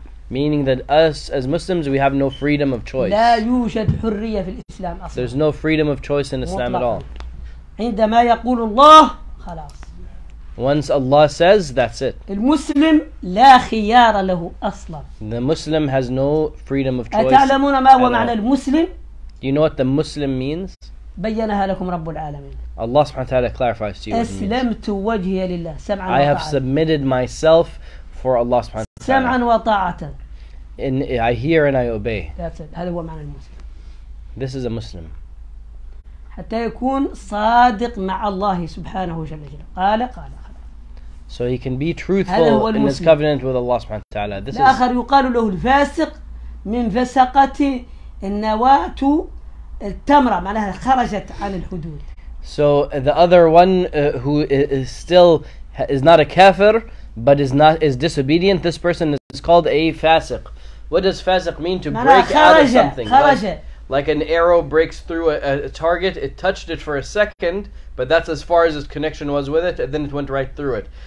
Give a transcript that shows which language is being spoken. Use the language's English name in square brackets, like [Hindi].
[English] Meaning that us as Muslims, we have no freedom of choice. [Arabic] لا يوجد حرية في الإسلام أصلا. [English] There's no freedom of choice in Islam at all. [Arabic] عندما يقول الله خلاص. [English] Once Allah says, that's it. [Arabic] المسلم لا خيار له أصلا. [English] The Muslim has no freedom of choice. [Arabic] أتعلمون ما هو معنى المسلم؟ [English] Do you know what the Muslim means? [Arabic] بينها لكم رب العالمين. [English] Allah subhanahu wa ta'ala clarifies to you. [Arabic] أسلمت وجهي لله. سمعا وطاعة. [English] I have submitted myself for Allah subhanahu wa ta'ala. [Arabic] سمعا وطاعة. [English] In I hear and I obey. That's it. [Arabic] هذا هو معنى المسلم. [English] This is a Muslim. [Arabic] حتى يكون صادق مع الله سبحانه وجل جلاله. قال. [English] So he can be truthful in his covenant with Allah subhanahu wa ta'ala. This [Arabic] الآخر يقال له الفاسق من فسقة النواة التمرة معناها خرجت عن الحدود. [English] So the other one who is still is not a kafir but is disobedient, this person is called a fasiq. What does fasiq mean? To break out of something. Like an arrow breaks through a target, it touched it for a second, but that's as far as its connection was with it, and then it went right through it.